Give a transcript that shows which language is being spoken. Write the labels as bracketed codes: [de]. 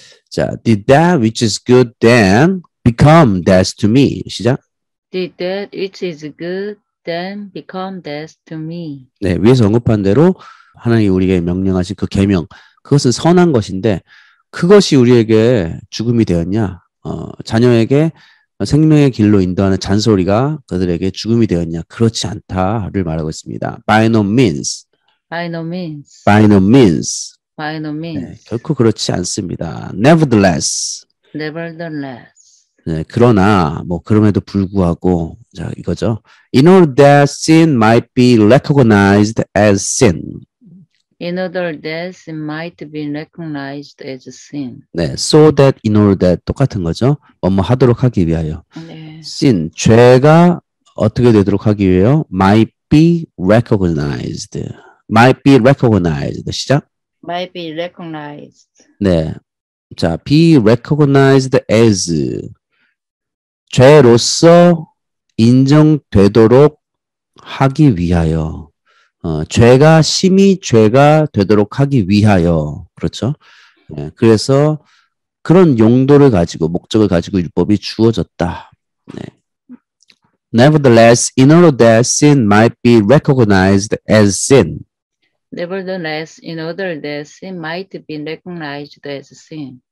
[en] 자, did that which is good then become death to me? [ko] 시작. [en] Did that which is good then become death to me? [ko] 네, 위에서 언급한 대로 하나님이 우리에게 명령하신 그 계명. 그것은 선한 것인데 그것이 우리에게 죽음이 되었냐. 자녀에게 생명의 길로 인도하는 잔소리가 그들에게 죽음이 되었냐? 그렇지 않다를 말하고 있습니다. [en] By no means. By no means. By no means. By no means. [ko] 네, 결코 그렇지 않습니다. [en] Nevertheless. Nevertheless. [ko] 네, 그러나 뭐 그럼에도 불구하고 자 이거죠. [en] In order that sin might be recognized as sin. In order that sin might be recognized as sin. [ko] 네, [en] so that in order that [ko] 똑같은 거죠. 뭐 하도록 하기 위하여. 네. Sin, 죄가 어떻게 되도록 하기 위하여 [en] might be recognized. Might be recognized. [ko] 시작. [en] Might be recognized. [ko] 네, 자, [en] be recognized as [ko] 죄로서 인정되도록 하기 위하여. 죄가 심히 죄가 되도록 하기 위하여 그렇죠. 네, 그래서 그런 용도를 가지고 목적을 가지고 율법이 주어졌다. 네. [en] Nevertheless, in order that sin might be recognized as sin. Nevertheless, in order that sin might be recognized as sin.